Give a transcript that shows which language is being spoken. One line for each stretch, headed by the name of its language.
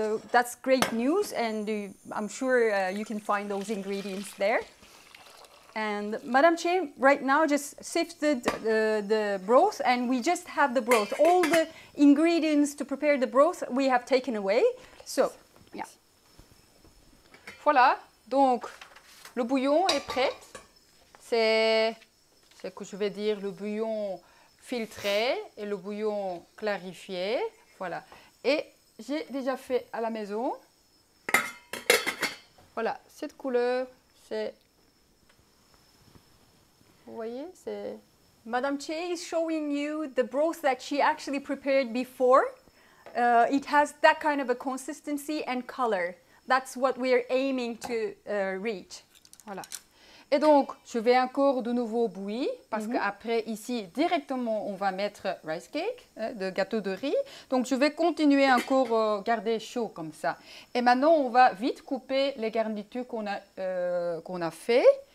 English: That's great news, and I'm sure you can find those ingredients there. And Madame Che right now just sifted the broth, and we just have the broth. All the ingredients to prepare the broth we have taken away. So, yeah.
French: Voilà. Donc. Le bouillon est prêt, c'est que je vais dire le bouillon filtré et le bouillon clarifié, voilà. Et j'ai déjà fait à la maison, voilà, cette couleur, c'est, vous voyez, c'est...
English: Madame Che is showing you the broth that she actually prepared before. It has that kind of a consistency and color. That's what we are aiming to reach.
French: Voilà. Et donc, je vais encore de nouveau bouillir parce mm-hmm. qu'après, ici, directement, on va mettre rice cake, de gâteau de riz. Donc, je vais continuer encore garder chaud comme ça. Et maintenant, on va vite couper les garnitures qu'on a fait.